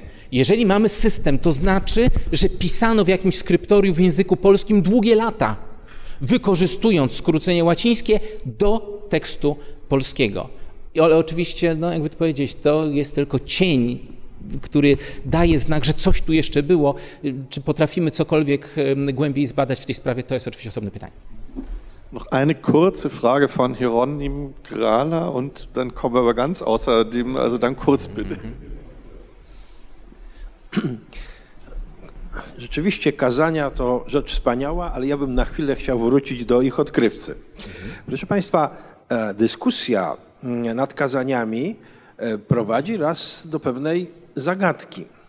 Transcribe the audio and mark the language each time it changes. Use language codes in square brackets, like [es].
[pl] Jeżeli mamy system, to znaczy, że pisano w jakimś skryptorium w języku polskim długie lata, wykorzystując skrócenie łacińskie do tekstu polskiego. Ale oczywiście, no jakby to powiedzieć, to jest tylko cień, który daje znak, że coś tu jeszcze było. Czy potrafimy cokolwiek głębiej zbadać w tej sprawie, to jest oczywiście osobne pytanie. [de] Noch eine kurze Frage von Hieronim Grala und dann kommen wir aber ganz außer dem, also dann kurz bitte. [pl] Rzeczywiście kazania to rzecz wspaniała, ale ja bym na chwilę chciał wrócić do ich odkrywcy. Proszę Państwa, dyskusja nad kazaniami prowadzi raz do pewnej zagadki.